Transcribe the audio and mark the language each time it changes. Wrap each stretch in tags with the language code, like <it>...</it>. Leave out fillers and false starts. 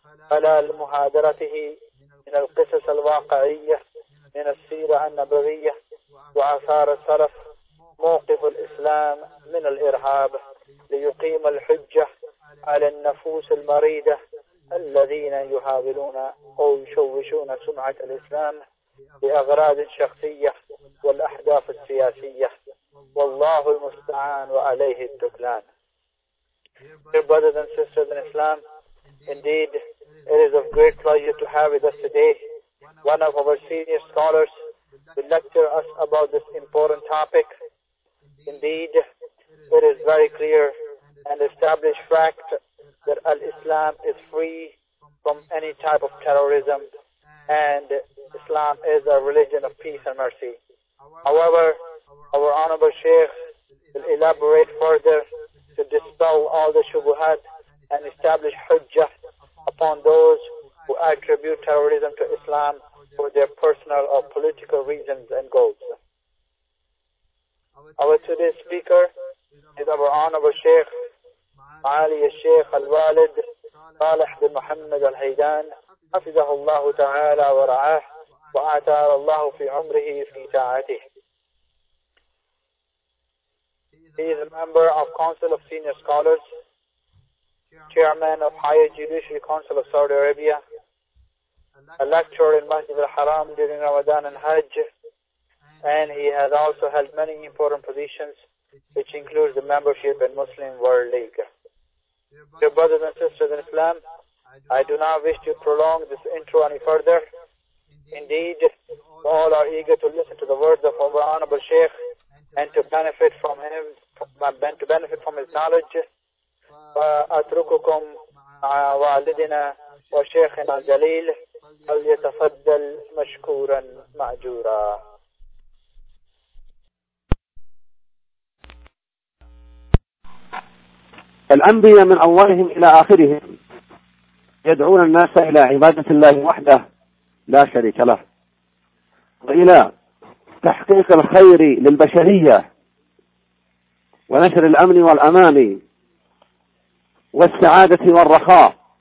<ar>خلال محاضرته من القصص الواقعية من السيرة النبوية وآثار السلف موقف الإسلام من الإرهاب، ليقيم الحجة على النفوس المريدة الذين يحاولون أو يشوشون سمعة الإسلام لأغراض شخصية والأحداث السياسية، والله المستعان وعليه الدكلان.</ar> <en>Dear brothers and sisters in Islam, indeed it is of great pleasure to have with us today one of our senior scholars to lecture us about this important topic. Indeed, it is very clear and established fact that Al-Islam is free from any type of terrorism and Islam is a religion of peace and mercy. However, our Honorable Sheikh will elaborate further to dispel all the shubuhat and establish hujjah upon those who attribute terrorism to Islam for their personal or political reasons and goals. Our today's speaker is our Honorable Sheikh</en> <ar>معالي الشيخ الوالد صالح بن محمد الهيدان، حفظه الله تعالى ورعاه وأعتار الله في عمره في طاعته.</ar> <en>He is a member of Council of Senior Scholars, Chairman of Higher Judiciary Council of Saudi Arabia, a lecturer in Masjid al-Haram during Ramadan and Hajj, and he has also held many important positions, which includes the membership in Muslim World League. Dear brothers and sisters in Islam, I do not wish to prolong this intro any further. Indeed, all are eager to listen to the words of our Honorable Sheikh and to benefit from him, to benefit from his knowledge.</en> <ar>فأترككم مع والدنا وشيخنا الجليل فليتفضل مشكورا معجورا. الأنبياء من أولهم إلى آخرهم يدعون الناس إلى عبادة الله وحده لا شريك له، وإلى تحقيق الخير للبشرية ونشر الأمن والأمان والسعادة والرخاء</ar>